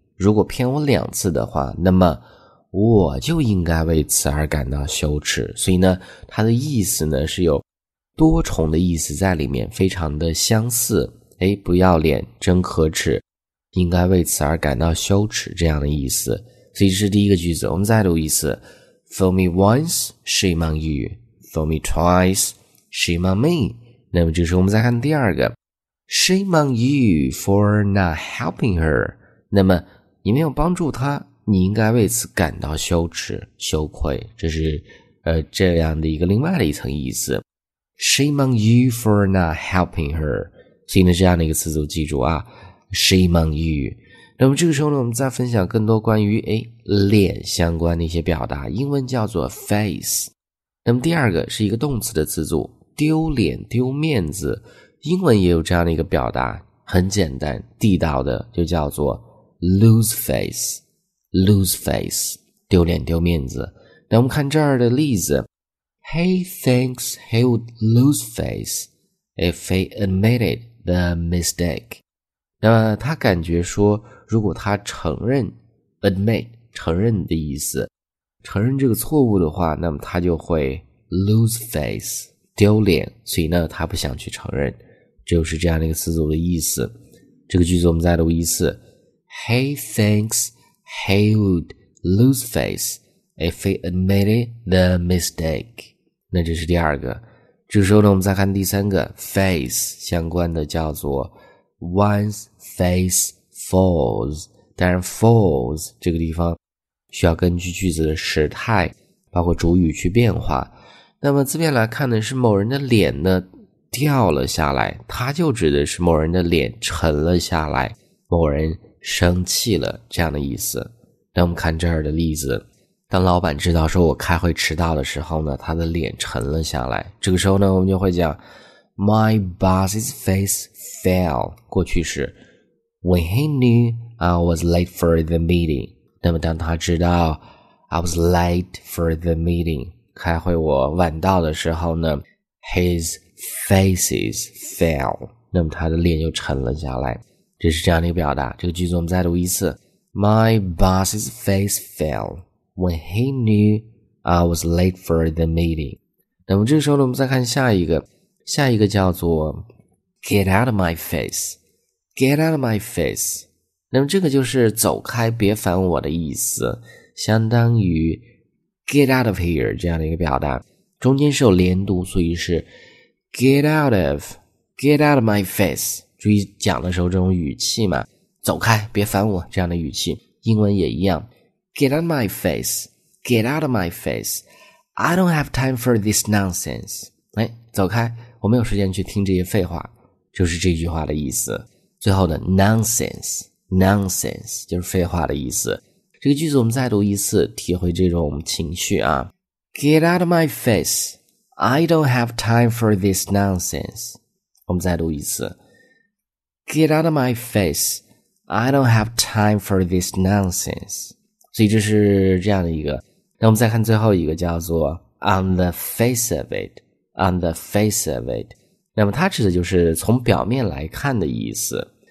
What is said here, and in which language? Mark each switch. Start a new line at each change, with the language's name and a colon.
Chinese: 如果骗我两次的话，那么我就应该为此而感到羞耻。所以呢，它的意思呢是有多重的意思在里面，非常的相似。哎，不要脸，真可耻，应该为此而感到羞耻，这样的意思。所以这是第一个句子，我们再读一次。
English: Fool me once, shame on you. Fool me twice, shame on me.
Chinese: 那么就是我们再看第二个，
English: shame on you for not helping her.
Chinese: 那么你没有帮助她，你应该为此感到羞耻羞愧，这是这样的一个另外的一层意思。
English: Shame on you for not helping her。
Chinese: 所以呢，这样的一个词组记住啊，
English: Shame on you。
Chinese: 那么这个时候呢，我们再分享更多关于脸相关的一些表达，英文叫做 face。那么第二个是一个动词的词组，丢脸丢面子，英文也有这样的一个表达，很简单地道的，就叫做 lose face。 Lose face， 丢脸丢面子。那我们看这儿的例子，
English: He thinks he would lose face if he admitted the mistake。
Chinese: 那他感觉说，如果他承认， admit 承认的意思，承认这个错误的话，那么他就会 lose face， 丢脸，所以呢他不想去承认，就是这样的一个词组的意思。这个句子我们再读一次，
English: He thinksHe would lose face if he admitted the mistake。
Chinese: 那这是第二个。这时候呢，我们再看第三个， face 相关的叫做
English: one's face falls。
Chinese: 当然 falls 这个地方需要根据句子的时态包括主语去变化。那么字面来看呢，是某人的脸呢掉了下来，它就指的是某人的脸沉了下来，某人生气了，这样的意思。那我们看这儿的例子，当老板知道说我开会迟到的时候呢，他的脸沉了下来。这个时候呢，我们就会讲
English: My boss's face fell，
Chinese: 过去式，
English: When he knew I was late for the meeting。
Chinese: 那么当他知道
English: I was late for the meeting，
Chinese: 开会我晚到的时候呢，
English: His face fell，
Chinese: 那么他的脸就沉了下来。这是这样的一个表达。这个句子我们再读一次，
English: My boss's face fell when he knew I was late for the meeting。
Chinese: 那么这个时候呢，我们再看下一个，下一个叫做
English: Get out of my face。 Get out of my face，
Chinese: 那么这个就是走开别烦我的意思，相当于
English: Get out of here
Chinese: 这样的一个表达，中间是有连读，所以是
English: Get out of， Get out of my face。
Chinese: 注意讲的时候这种语气嘛，走开别烦我，这样的语气。英文也一样，
English: Get out of my face， Get out of my face， I don't have time for this nonsense。
Chinese: 哎，走开，我没有时间去听这些废话，就是这句话的意思。最后的 nonsense， nonsense 就是废话的意思。这个句子我们再读一次，体会这种情绪啊。
English: Get out of my face， I don't have time for this nonsense。
Chinese: 我们再读一次，
English: Get out of my face, I don't have time for this nonsense。
Chinese: 所以这是这样的一个。那我们再看最后一个，叫做
English: On the face of it, On the face of it。
Chinese: 那么它指的就是从表面来看的意思。